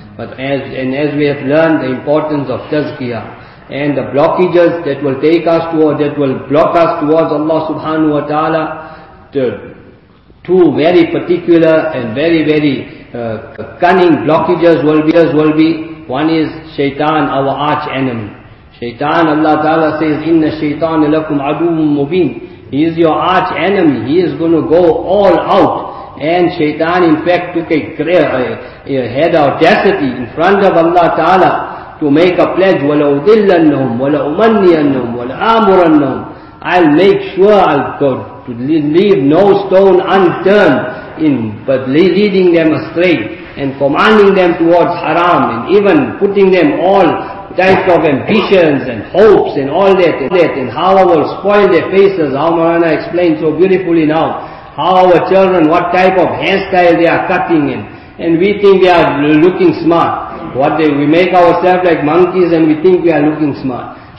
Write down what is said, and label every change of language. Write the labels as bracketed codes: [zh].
[en] But as we have learned the importance of tazkiyah, and the blockages that will take us toward, that will block us towards Allah subhanahu wa ta'ala, two very particular and very, very cunning blockages will be, one is shaitan, our arch enemy. [ar] Shaitan, [en] Allah ta'ala says, [ar] إِنَّ الشَّيْطَانِ لَكُمْ عَدُوٌ مُبِينٌ. [en] He is your arch enemy. He is going to go all out. And shaitan, in fact, took a head audacity in front of Allah ta'ala to make a pledge, [ar] وَلَأُذِلَّنَّهُمْ وَلَأُمَنِّيَنَّهُمْ وَلَأَمُرَنَّهُمْ. [en] I'll make sure I'll go to leave no stone unturned in but leading them astray and commanding them towards haram and even putting them all types of ambitions and hopes and all that and how I will spoil their faces, how Marana explained so beautifully now, how our children, what type of hairstyle they are cutting in, and we think they are looking smart. We make ourselves like monkeys and we think we are looking smart.